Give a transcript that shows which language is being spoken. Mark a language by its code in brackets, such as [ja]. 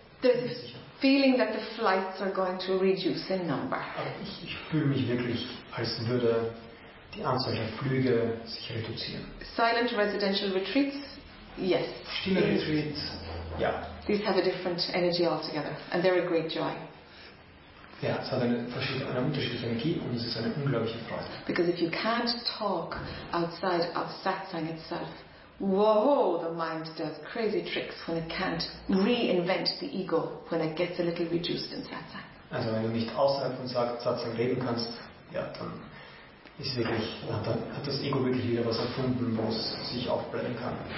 [en] there's a feeling that the flights are going to reduce in number. [de] Ich fühle mich wirklich, als würde die Anzahl der Flüge sich reduzieren. [en] Silent residential retreats, yes. [de] Stille Retreats, ja. [en] These have a different energy altogether and they're a great joy. [de] Ja, es hat eine unterschiedliche Energie und es ist eine unglaubliche Freude. [en] Because if you can't talk outside of Satsang itself, whoa, the mind does crazy tricks when it can't reinvent the ego when it gets a little reduced in Satsang. [de] Also wenn du nicht außerhalb von Satsang reden kannst, ja, dann hat das Ego wirklich wieder was erfunden, wo es sich aufblenden kann.